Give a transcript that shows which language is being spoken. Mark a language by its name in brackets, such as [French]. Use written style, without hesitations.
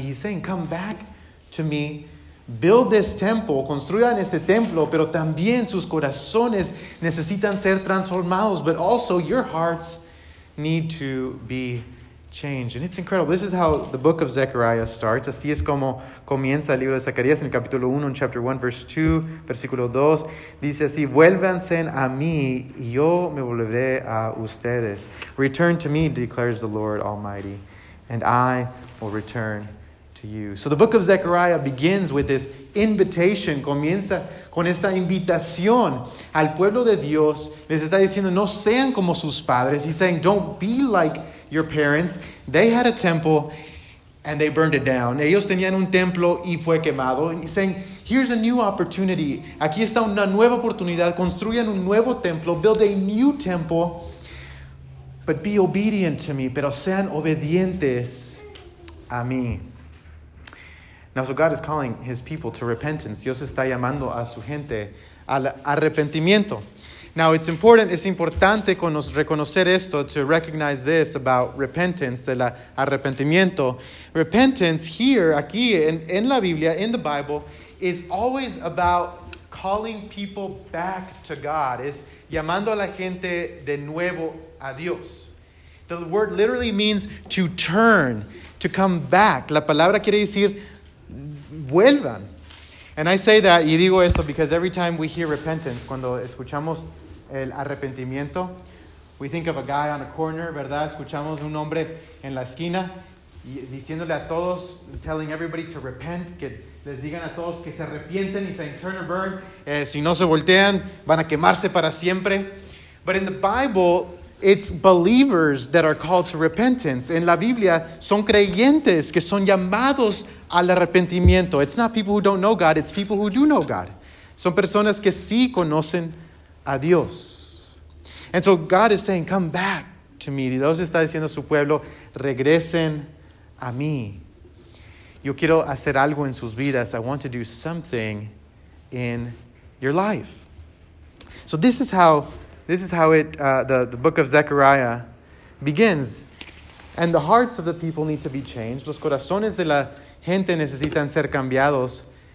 [English] He's saying, come back to me, build this temple, [Spanish] construyan este templo, pero también sus corazones necesitan ser transformados, [English] but also your hearts need to be changed. And it's incredible. This is how the book of Zechariah starts. [Spanish] Así es como comienza el libro de Zacarías en el capítulo 1, en [English] chapter 1, verse 2, [Spanish] versículo 2. Dice así, vuélvanse a mí y yo me volveré a ustedes. [English] Return to me, declares the Lord Almighty, and I will return to you. So the book of Zechariah begins with this invitation. [Spanish] Comienza con esta invitación al pueblo de Dios. Les está diciendo, no sean como sus padres. [English] He's saying, don't be like your parents. They had a temple and they burned it down. [Spanish] Ellos tenían un templo y fue quemado. [English] He's saying, here's a new opportunity. [Spanish] Aquí está una nueva oportunidad. Construyan un nuevo templo. [English] Build a new temple. But be obedient to me. [Spanish] Pero sean obedientes a mí. [English] Now, so God is calling his people to repentance. [Spanish] Dios está llamando a su gente al arrepentimiento. [English] Now, it's important, [Spanish] es importante reconocer esto, [English] to recognize this about repentance, [Spanish] del arrepentimiento. [English] Repentance here, [Spanish] aquí, en la Biblia, [English] in the Bible, is always about calling people back to God. [Spanish] Es llamando a la gente de nuevo a Dios. [English] The word literally means to turn, to come back. [Spanish] La palabra quiere decir vuelvan. [English] And I say that, [Spanish] y digo esto, [English] because every time we hear repentance, [Spanish] cuando escuchamos el arrepentimiento, [English] we think of a guy on a corner, ¿verdad? [Spanish] Escuchamos un hombre en la esquina y diciéndole a todos, [English] telling everybody to repent, [Spanish] que les digan a todos que se arrepienten y se [English] turn or burn. [Spanish] Si no se voltean, van a quemarse para siempre. [English] But in the Bible, it's believers that are called to repentance. [Spanish] En la Biblia, son creyentes que son llamados al arrepentimiento. [English] It's not people who don't know God, it's people who do know God. [Spanish] Son personas que sí conocen a Dios. [English] And so God is saying, come back to me. [Spanish] Dios está diciendo a su pueblo, regresen a mí. Yo quiero hacer algo en sus vidas. [English] I want to do something in your life. So this is how the book of Zechariah begins. And the hearts of the people need to be changed. [Spanish] Los corazones de la gente necesitan ser cambiados.